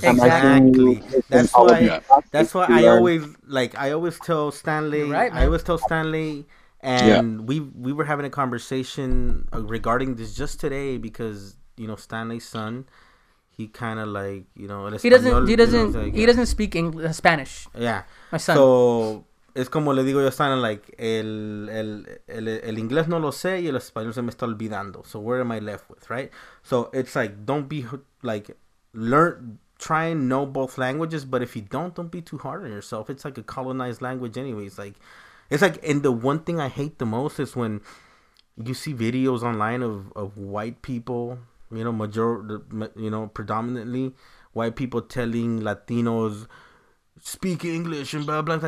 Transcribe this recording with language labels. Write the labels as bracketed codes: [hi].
[en] That's why I always tell Stanley, and yeah. We were having a conversation regarding this just today, because, you know, Stanley's son, he kind of, like, you know, he doesn't speak English, Spanish. Yeah. My son. So, [es] Es como le digo yo a Stan, like, el inglés no lo sé y el español se me está olvidando. [en] So where am I left with, right? So it's like, don't be like, learn, try and know both languages, but if you don't be too hard on yourself. It's like a colonized language anyways. Like, it's like, and the one thing I hate the most is when you see videos online of white people, you know, predominantly white people telling Latinos, speak English and blah blah blah.